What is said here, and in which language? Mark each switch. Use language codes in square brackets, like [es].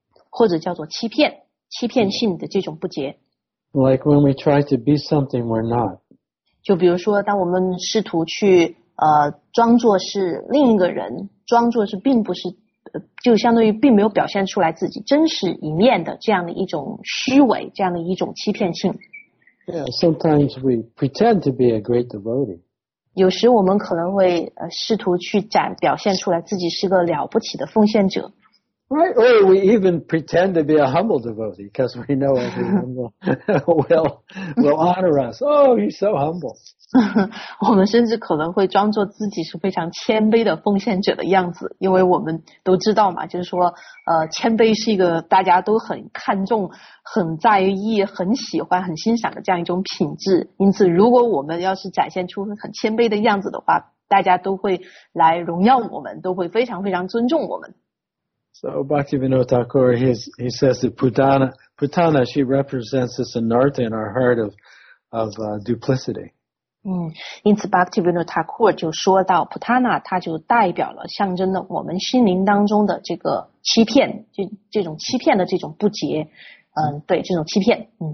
[zh] 或者叫做欺骗性的这种不洁。 [en] Like when we try to be something we're not. [zh] 就比如说，当我们试图去装作是另一个人，装作是并不是。就相当于并没有表现出来自己真实一面的这样的一种虚伪，这样的一种欺骗性。 [en] Yeah, sometimes we pretend to be a great devotee. [zh] 有时我们可能会试图去表现出来自己是个了不起的奉献者。 [en] Right, or we even pretend to be a humble devotee because we know every humble will honor us. Oh, he's so humble. [zh] 我们甚至可能会装作自己是非常谦卑的奉献者的样子，因为我们都知道嘛，就是说谦卑是一个大家都很看重、很在意、很喜欢、很欣赏的这样一种品质。因此如果我们要是展现出很谦卑的样子的话，大家都会来荣耀我们，都会非常非常尊重我们。 [en] So Bhaktivinoda Thakur, he says that Putana, she represents this anartha in our heart of duplicity. [zh] 因此 Bhaktivinoda Thakur 就说到 Putana, 它就代表了象征了我们心灵当中的这个欺骗，这种欺骗的这种不洁，对，这种欺骗。